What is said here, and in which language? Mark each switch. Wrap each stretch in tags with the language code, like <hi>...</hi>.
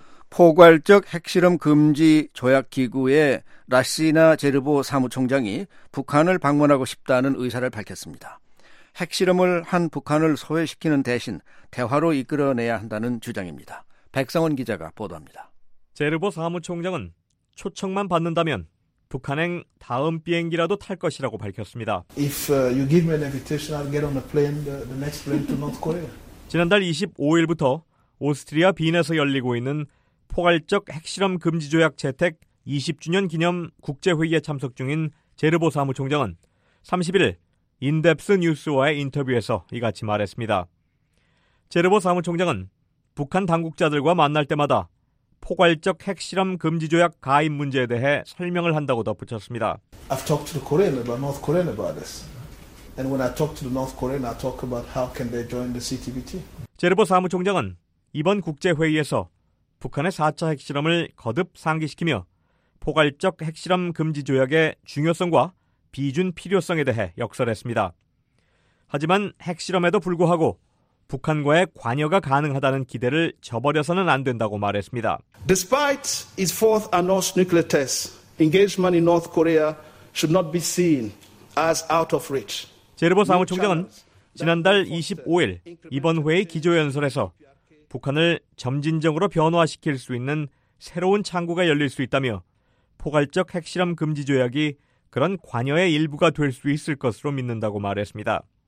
<ko>포괄적 핵실험 금지 조약기구의 라시나 제르보 사무총장이 북한을 방문하고 싶다는 의사를 밝혔습니다. 핵실험을 한 북한을 소외시키는 대신 대화로 이끌어내야 한다는 주장입니다. 백성원 기자가 보도합니다. 제르보 사무총장은 초청만 받는다면 북한행 다음 비행기라도 탈 것이라고 밝혔습니다.</ko> <en>If you give me an invitation, I'll get on the plane, the next plane to North Korea.</en> <ko>지난달 25일부터 오스트리아 빈에서 열리고 있는 포괄적 핵실험 금지조약 채택 20주년 기념 국제회의에 참석 중인 제르보 사무총장은 31일 인뎁스 뉴스와의 인터뷰에서 이같이 말했습니다. 제르보 사무총장은 북한 당국자들과 만날 때마다 포괄적 핵실험 금지조약 가입 문제에 대해 설명을 한다고 덧붙였습니다.</ko> <en>I've talked to the Korean about North Korean about this. And when I talk to the North Korean, I talk about how can they join the CTBT.</en> <ko>제르보 사무총장은 이번 국제회의에서 북한의 4차 핵실험을 거듭 상기시키며 포괄적 핵실험 금지조약의 중요성과 비준 필요성에 대해 역설했습니다. 하지만 핵실험에도 불구하고 북한과의 관여가 가능하다는 기대를 저버려서는 안 된다고 말했습니다.</ko> <en>Despite its fourth announced nuclear test, engagement in North Korea should not be seen as out of reach.</en> <ko>제르보 사무총장은 지난달 25일 이번 회의 기조연설에서 북한을 점진적으로 변화시킬 수 있는 새로운 창구가 열릴 수 있다며 포괄적 핵실험 금지 조약이 그런 관여의 일부가 될 수 있을 것으로 믿는다고 말했습니다.</ko>